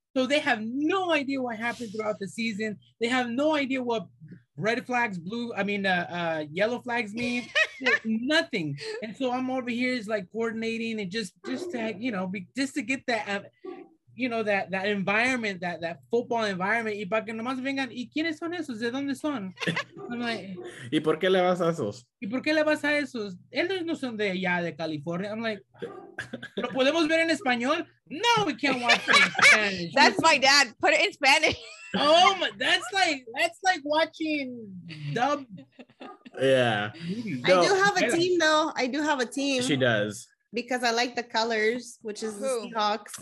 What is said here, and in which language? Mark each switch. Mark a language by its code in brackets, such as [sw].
[en] So they have no idea what happened throughout the season. They have no idea what red flags, yellow flags mean. Nothing. And so I'm over here is like coordinating and just to get that environment, that football environment. [es] Y para que nomás vengan, ¿y quiénes son esos? ¿De dónde son? [en] I'm [es] like, ¿y por qué le vas a esos? ¿Y por qué le vas a esos? Ellos no son de allá, de California. [en] I'm like, [es] ¿lo podemos ver en español? [en] No, we can't watch it in Spanish. That's my dad. Put it in Spanish. Oh my, that's like watching dub. Yeah. No. I do have a team though. I do have a team. She does. Because I like the colors, which is the Seahawks.